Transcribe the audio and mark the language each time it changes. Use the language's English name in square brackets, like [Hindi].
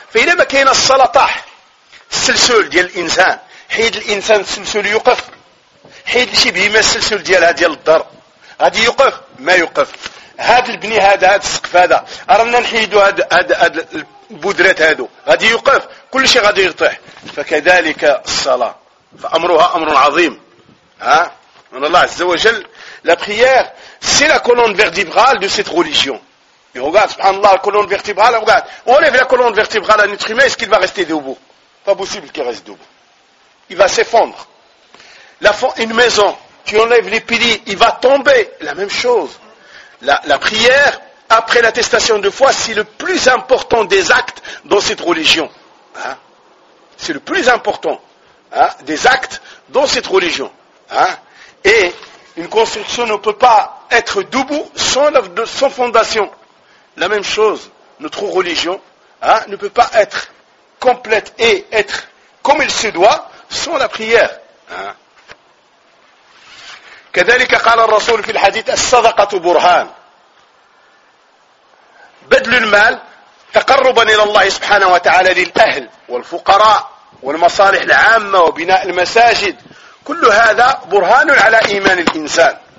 [Arabic] فإذا ما كان الصلاة طاح السلسل ديال الإنسان حيد الإنسان السلسل يقف حيد الشيء بهما السلسل ديالها ديال الدر هذا يقف ما يقف هذا البني هذا السقف هذا أردنا نحيدوا هذا البودرات هذا هذا يقف كل شيء غادي يطيح. فكذلك الصلاة فأمرها أمر عظيم من الله عز وجل. [French] La prière, c'est la colonne vertébrale de cette religion. Et regarde, subhanallah, la colonne vertébrale, regarde. On enlève la colonne vertébrale à un être humain, est-ce qu'il va rester debout? Pas possible qu'il reste debout. Il va s'effondrer. Une maison, tu enlèves les piliers, il va tomber. La même chose. La prière, après l'attestation de foi, c'est le plus important des actes dans cette religion. C'est le plus important des actes dans cette religion. Et une construction ne peut pas être debout sans fondation. La même chose, notre religion ne peut pas être complète et être comme il se doit sans la prière. [Arabic] كذلك قال الرسول في الحديث الصدقة برهان، بدل المال تقربا إلى الله سبحانه وتعالى للأهل والفقراء والمصالح العامة وبناء المساجد، كل هذا برهان على إيمان الإنسان.